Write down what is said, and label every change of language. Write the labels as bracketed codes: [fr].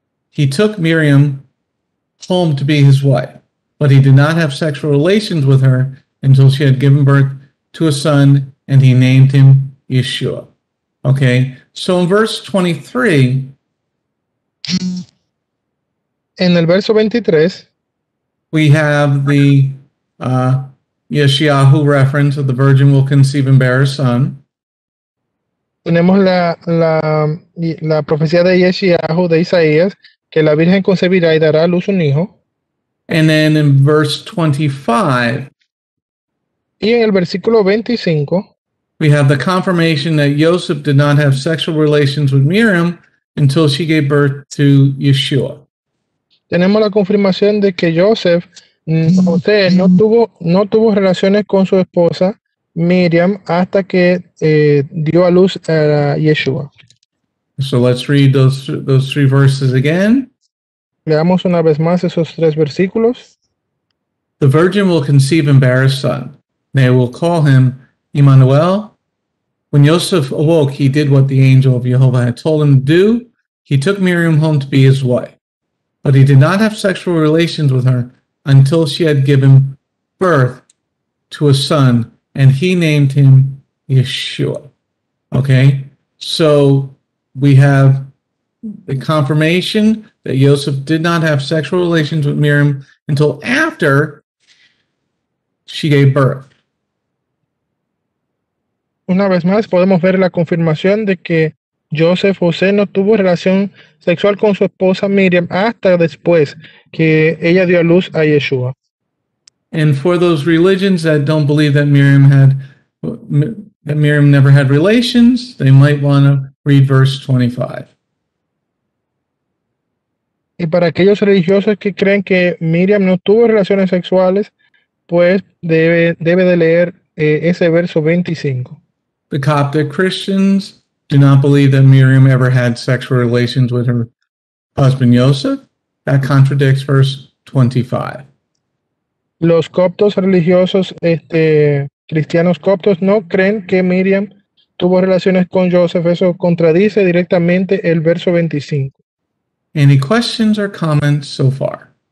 [en] He took Miriam home to be his wife, but he did not have sexual relations with her until she had given birth to a son, and he named him Yeshua. Okay, so in verse 23, [es] en el verso 23, [en] we have the Yeshiahu reference of the virgin will conceive and bear a son. [es] Tenemos la profecía de Yeshiahu de Isaías, que la Virgen concebirá y dará a luz un hijo. [en] And then in verse 25, [es] y en el versículo 25, [en] we have the confirmation that Joseph did not have sexual relations with Miriam until she gave birth to Yeshua. [es] Tenemos la confirmación de que Joseph, José, no tuvo relaciones con su esposa Miriam hasta que dio a luz a Yeshua. [en] So let's read those three verses again. [es] Leamos una vez más esos tres versículos. [en] The virgin will conceive and bear a son. They will call him Immanuel. When Joseph awoke, he did what the angel of Jehovah had told him to do. He took Miriam home to be his wife. But he did not have sexual relations with her until she had given birth to a son, and he named him Yeshua. Okay, so we have the confirmation that Joseph did not have sexual relations with Miriam until after she gave birth. [es] Una vez más, podemos ver la confirmación de que Joseph José no tuvo relación sexual con su esposa Miriam hasta después que ella dio a luz a Yeshua. [en] And for those religions that don't believe that Miriam never had relations, they might want to read verse 25. [es] Y para aquellos religiosos que creen que Miriam no tuvo relaciones sexuales, pues debe de leer ese verso 25. [en] The Coptic Christians do not believe that Miriam ever had sexual relations with her husband Joseph. That contradicts verse 25. [es] Los coptos religiosos, cristianos coptos, no creen que Miriam tuvo relaciones con Joseph. Eso contradice directamente el verso 25. [en] Any questions or comments so far?